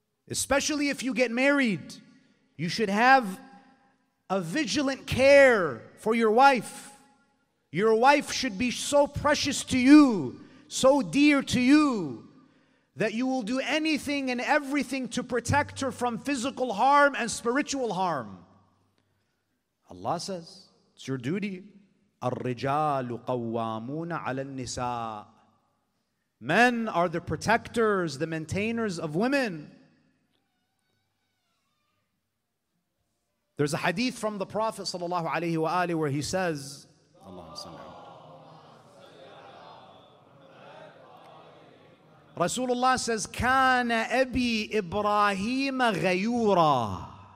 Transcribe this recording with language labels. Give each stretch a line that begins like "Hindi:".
English: Especially if you get married, you should have a vigilant care for your wife. Your wife should be so precious to you, so dear to you, that you will do anything and everything to protect her from physical harm and spiritual harm. Allah says, it's your duty.
Arabic: الرجال قوامون على النساء.
English: Men are the protectors, the maintainers of women. There's a hadith from the Prophet sallallahu alaihi wa alihi where he says,
Arabic: Allahumma salli ala Rasulullah
English: says,
Arabic: كان أبي إبراهيم غيورا.